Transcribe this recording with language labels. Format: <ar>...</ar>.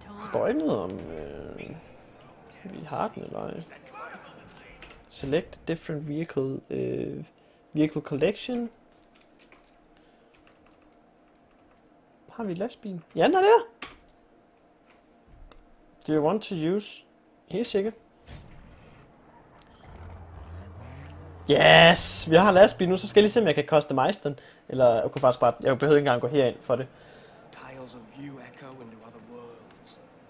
<da>Står ikke noget om, vi har den, eller ej?</da> <en>Select different vehicle, vehicle collection.</en> <da>Har vi lastbilen? Ja, den er der!</da> <en>Do you want to use?</en> <da>Helt sikkert.</da> <en>Yes!</en> <da>Vi har lastbilen nu, så skal jeg lige se, om jeg kan customize den. Eller jeg kunne faktisk bare, jeg behøver ikke engang gå herind for det.</da> <en>Tiles of you echo into other worlds.</en>